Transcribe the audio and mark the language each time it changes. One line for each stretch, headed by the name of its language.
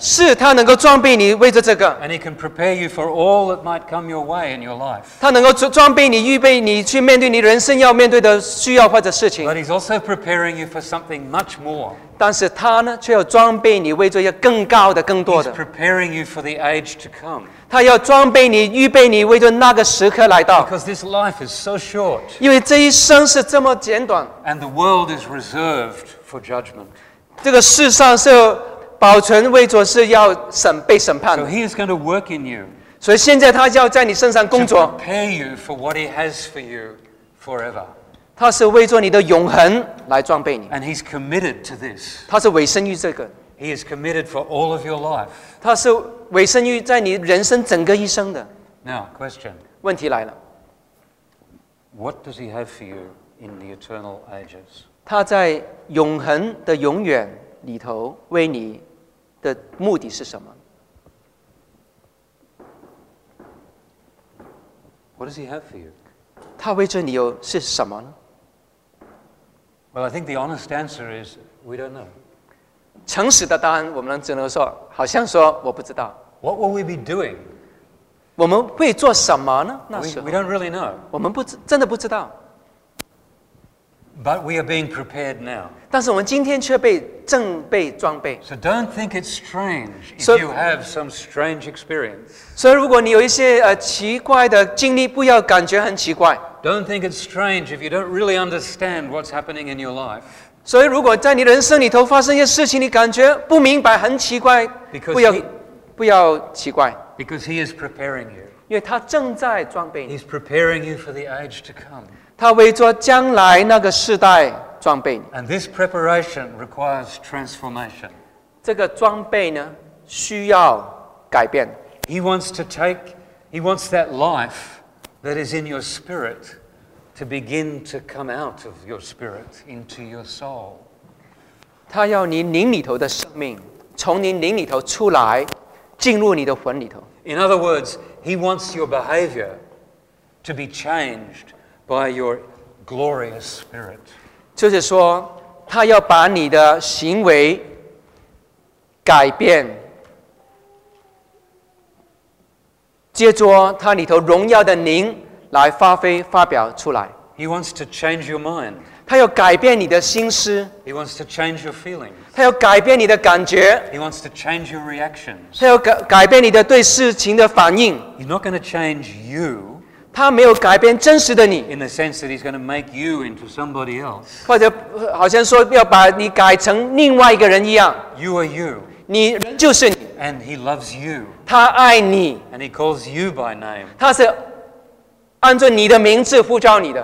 Chinese: 是他能够装备你为着这个。
English: And He can prepare you for all that might come your way in your life.
Chinese: 他能够装备你，预备你去面对你人生要面对的需要或者事情。
English: But He's also preparing you for something much more.
Chinese: 但是他呢，却要装备你为着一个更高的、更多的。
English: He's preparing you for the age to come.
Chinese: 他要装备你，预备你为着那个时刻来到。
English: Because this life is so short.
Chinese: 因为这一生是这么简短。
English: And the world is reserved for judgment.
Chinese: 这个世上是保存为着是要被审判的。
English: So He is going to work in you.
Chinese: 所以现在他要在你身上工作。
English: To prepare you for what He has for you forever.
Chinese: 他是为着你的永恒来装备你。
English: And He's committed to this.
Chinese: 他是委身于这个。
English: He is committed for all of your life.
Chinese: 他是委身于在你人生整个一生的。
English: Now, question.
Chinese: 问题来了。
English: What does He have for you in the eternal ages?
Chinese: 他在永恒的永远里头为你的目的是什么？
English: What does He have for you?
Chinese: 他为着你有是什么呢？
English: Well, I think the honest answer is we don't know.
Chinese: 诚实的答案，我们只能说，好像说我不知道。
English: What will we be doing?
Chinese: 我们会做什么呢？那时候
English: we don't really know.
Chinese: 我们真的不知道。
English: But we are being prepared now.
Chinese: 但是我们今天却被正被装备。
English: So don't think it's strange if you have some strange experience.
Chinese: 所以如果你有一些奇怪的经历，不要感觉很奇怪。
English: Don't think it's strange if you don't really understand what's happening in your life.
Chinese: 所以如果在你人生里头发生一些事情，你感觉不明白，很奇怪，不要奇怪。
English: Because he is preparing you.
Chinese: 因为他正在装备你。
English: He's preparing you for the age to come.
Chinese: 他为着将来那个世代装备你。
English: And this preparation requires transformation.
Chinese: 这个装备呢，需要改变。
English: He wants that life that is in your spirit to begin to come out of your spirit into your soul.
Chinese: 他要你灵里头的生命从你灵里头出来，进入你的魂里头。
English: In other words, he wants your behavior to be changed by your glorious spirit.
Chinese: 就是说，他要把你的行为改变，借着他里头荣耀的灵来发挥发表出来。
English: He wants to change your mind.
Chinese: 他要改变你的心思。
English: He wants to change your feelings.
Chinese: 他要改变你的感觉。
English: He wants to change your reactions.
Chinese: 他要改变你的对事情的反应。
English: He's not going to change you.
Chinese: 他没有改变真实的你。
English: In the sense that he's going to make you into somebody else.
Chinese: 或者好像说要把你改成另外一个人一样。
English: You are you.
Chinese: 你就是你。
English: And he loves you.
Chinese: 他爱你。
English: And he calls you by name.
Chinese: 他是按照你的名字呼召你的。